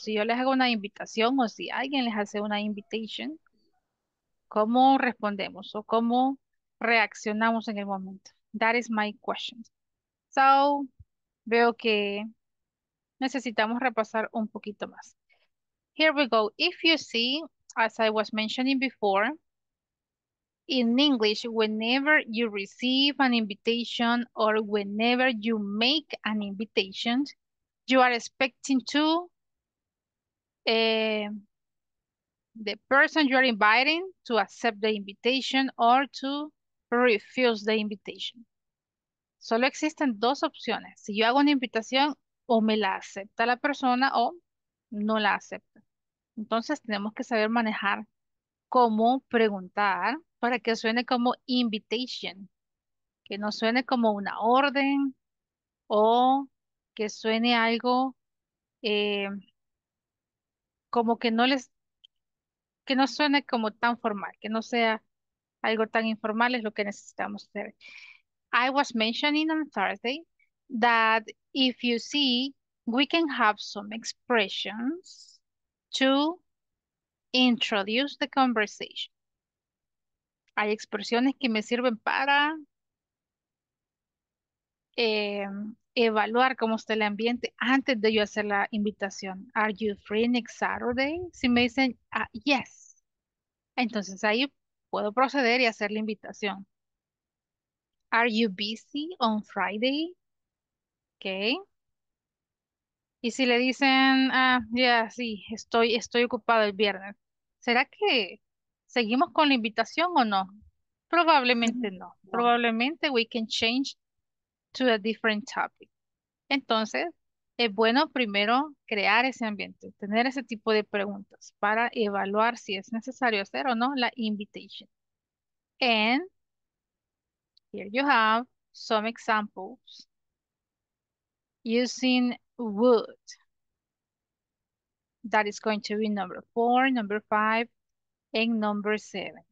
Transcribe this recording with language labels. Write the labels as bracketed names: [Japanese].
[Spanish] Si yo les hago una invitación o si alguien les hace una invitation, ¿cómo respondemos o cómo reaccionamos en el momento? [English] That is my question. So, [Spanish] veo que necesitamos repasar un poquito más. [English] Here we go. If you see, as I was mentioning before, in English, whenever you receive an invitation or whenever you make an invitation, you are expecting to the person you are inviting to accept the invitation or to refuse the invitation. [Spanish] Solo existen dos opciones. Si yo hago una invitación, o me la acepta la persona o no la acepta. Entonces tenemos que saber manejar cómo preguntar para que suene como invitation, que no suene como una orden o que suene algo como que no les, que no suene como tan formal, que no sea algo tan informal es lo que necesitamos hacer. [English] I was mentioning on Thursday that if you see, we can have some expressions to introduce the conversation. [Spanish] Hay expresiones que me sirven para evaluar cómo está el ambiente antes de yo hacer la invitación. [English] Are you free next Saturday? [Spanish] Si me dicen yes, entonces ahí puedo proceder y hacer la invitación. [English] Are you busy on Friday? Okay. [Spanish] Y si le dicen, sí, estoy ocupado el viernes. ¿Será que seguimos con la invitación o no? Probablemente no. [English] Probablemente we can change to a different topic. [Spanish] Entonces, es bueno primero crear ese ambiente, tener ese tipo de preguntas para evaluar si es necesario hacer o no la invitation. [English] And here you have some examples using would. That is going to be number 4, number 5, and number 7.